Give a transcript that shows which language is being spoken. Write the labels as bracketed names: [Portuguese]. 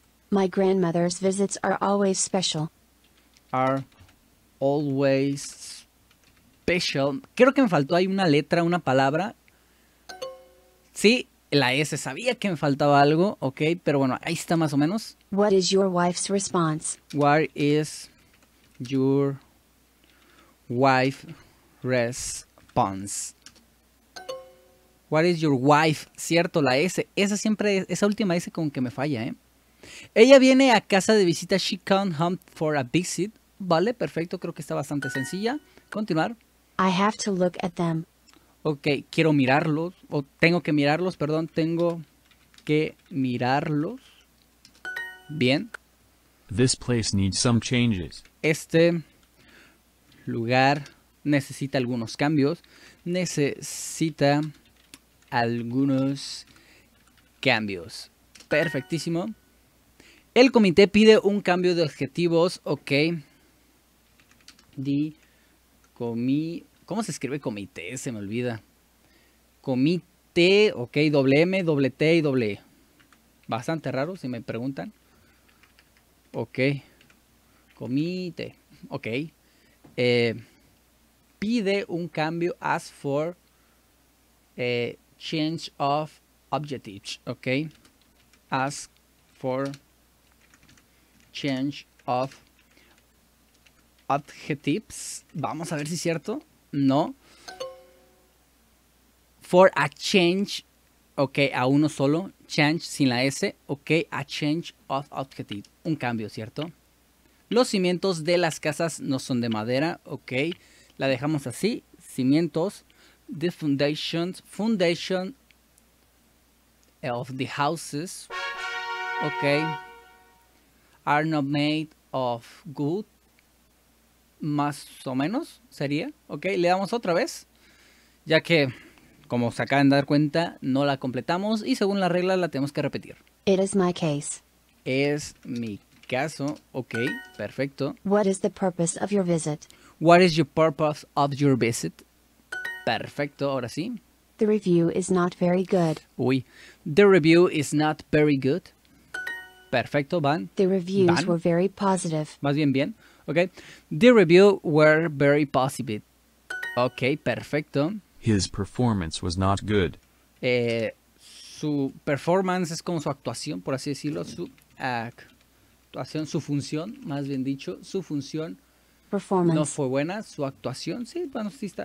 [English] My grandmother's visits are always special. Are always special. [Spanish] Creo que me faltó ahí una letra, una palabra. Sí, la S. Sabía que me faltaba algo, ok. Pero bueno, ahí está más o menos. [English] What is your wife's response? What is your wife's response? What is your wife? [Spanish] Cierto, la S. Esa siempre, esa última S como que me falla, ¿eh? Ella viene a casa de visita. [English] She comes home for a visit. [Spanish] Vale, perfecto. Creo que está bastante sencilla. Continuar. [English] I have to look at them. [Spanish] Ok, quiero mirarlos. O tengo que mirarlos, perdón. Tengo que mirarlos. Bien. [English] This place needs some changes. [Spanish] Este lugar necesita algunos cambios. Necesita algunos cambios. Perfectísimo. El comité pide un cambio de objetivos. Ok. ¿Cómo se escribe comité? Se me olvida. Comité, ok, doble M, doble T y doble E. Bastante raro si me preguntan. Ok. Comité, ok. Pide un cambio, [English] ask for change of objectives, ok. Ask for change of objectives. [Spanish] Vamos a ver si es cierto. No. [English] For a change. [Spanish] Ok, a uno solo. Change sin la S. [English] Ok, a change of objective. [Spanish] Un cambio, ¿cierto? Los cimientos de las casas no son de madera. Ok, la dejamos así. Cimientos. [English] The foundations. Foundation of the houses. Ok. Are not made of wood. [Spanish] Más o menos sería. Ok, le damos otra vez. Ya que, como se acaban de dar cuenta, no la completamos. Y según la regla, la tenemos que repetir. [English] It is my case. [Spanish] Es mi caso. Ok, perfecto. [English] What is the purpose of your visit? What is your purpose of your visit? [Spanish] Perfecto, ahora sí. [English] The review is not very good. Uy. The review is not very good. [Spanish] Perfecto, van. [English] The reviews van. Were very positive. [Spanish] Más bien, bien. Okay. [English] The review were very positive. [Spanish] Okay, perfecto. [English] His performance was not good. [Spanish] Su performance es como su actuación, por así decirlo. Su actuación, su función, más bien dicho. Su función [English] performance. [Spanish] No fue buena. Su actuación, sí, bueno, sí está.